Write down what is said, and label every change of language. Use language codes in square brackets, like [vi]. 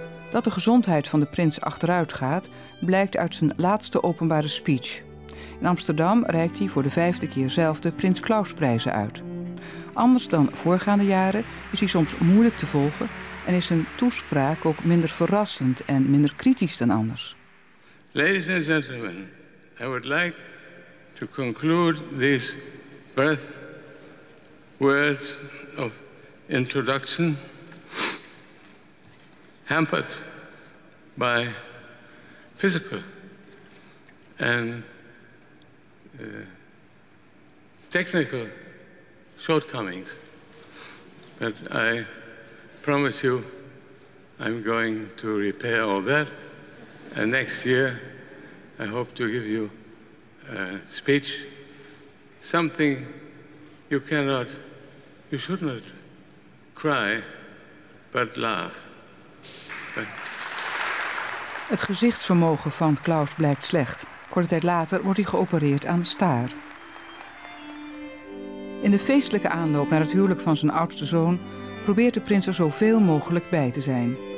[nl] Dat de gezondheid van de prins achteruit gaat, blijkt uit zijn laatste openbare speech. In Amsterdam reikt hij voor de 5e keer zelf de Prins Klausprijzen uit. Anders dan voorgaande jaren is hij soms moeilijk te volgen en is zijn toespraak ook minder verrassend en minder kritisch dan anders. [en] Ladies and gentlemen, I would like to conclude these brief words of introduction, hampered by physical and technical shortcomings, but I promise you I'm going to repair all that, and next year I hope to give you a speech, something you should not cry, but laugh. [nl] Het gezichtsvermogen van Klaus blijkt slecht. Korte tijd later wordt hij geopereerd aan de staar. In de feestelijke aanloop naar het huwelijk van zijn oudste zoon probeert de prins er zoveel mogelijk bij te zijn.